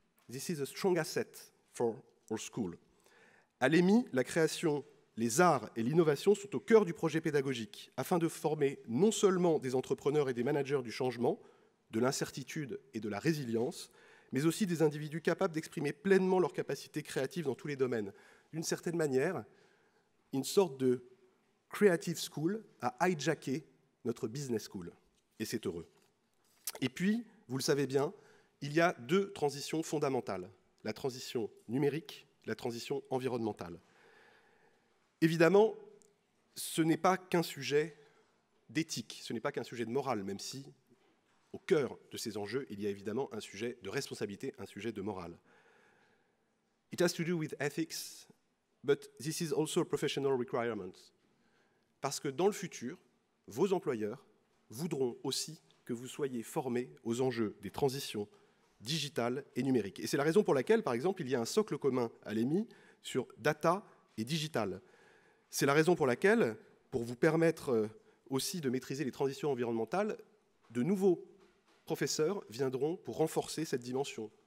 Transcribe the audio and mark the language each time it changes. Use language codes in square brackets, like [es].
[en] This is a strong asset for our school. [fr] À l'EMI, la création, les arts et l'innovation sont au cœur du projet pédagogique, afin de former non seulement des entrepreneurs et des managers du changement, de l'incertitude et de la résilience, mais aussi des individus capables d'exprimer pleinement leurs capacités créatives dans tous les domaines. D'une certaine manière, une sorte de Creative School a hijacké notre Business School. Et c'est heureux. Et puis, vous le savez bien, il y a deux transitions fondamentales. La transition numérique, la transition environnementale. Évidemment, ce n'est pas qu'un sujet d'éthique, ce n'est pas qu'un sujet de morale, même si au cœur de ces enjeux, il y a évidemment un sujet de responsabilité, un sujet de morale. [en] It has to do with ethics, but this is also a professional requirement. [fr] Parce que dans le futur, vos employeurs voudront aussi que vous soyez formés aux enjeux des transitions digitales et numériques. Et c'est la raison pour laquelle, par exemple, il y a un socle commun à l'EMI sur data et digital. C'est la raison pour laquelle, pour vous permettre aussi de maîtriser les transitions environnementales, de nouveaux professeurs viendront pour renforcer cette dimension.